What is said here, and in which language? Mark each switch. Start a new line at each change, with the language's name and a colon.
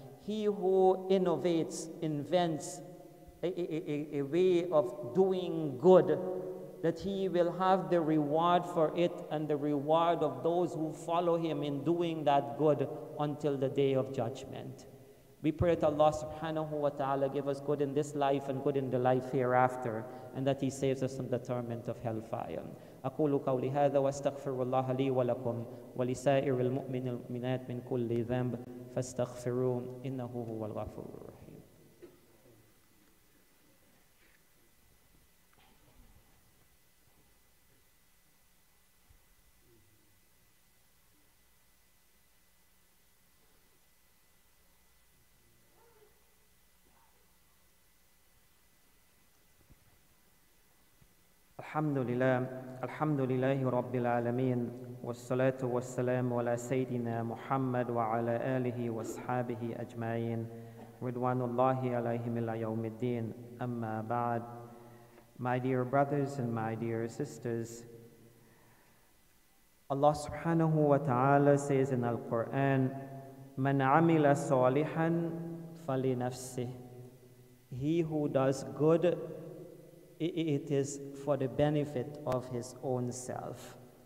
English: He who innovates, invents a way of doing good, that he will have the reward for it and the reward of those who follow him in doing that good until the day of judgment. We pray that Allah subhanahu wa ta'ala give us good in this life and good in the life hereafter, and that he saves us from the torment of hellfire.
Arabic: أقول قولي هذا واستغفر الله لي ولكم ولسائر المؤمنات من كل ذنب فاستغفروه إنه هو الغفور الرحيم. الحمد لله. الحمد لله رب العالمين والصلاة والسلام على سيدنا محمد وعلى آله وصحابه أجمعين رضوان الله عليهم إلى يوم الدين أما بعد.
English: My dear brothers and my dear sisters, Allah سبحانه وتعالى says in the Quran,
Arabic: من عمل صالحا فلنفسه.
English: He who does good, it is for the benefit of his own self.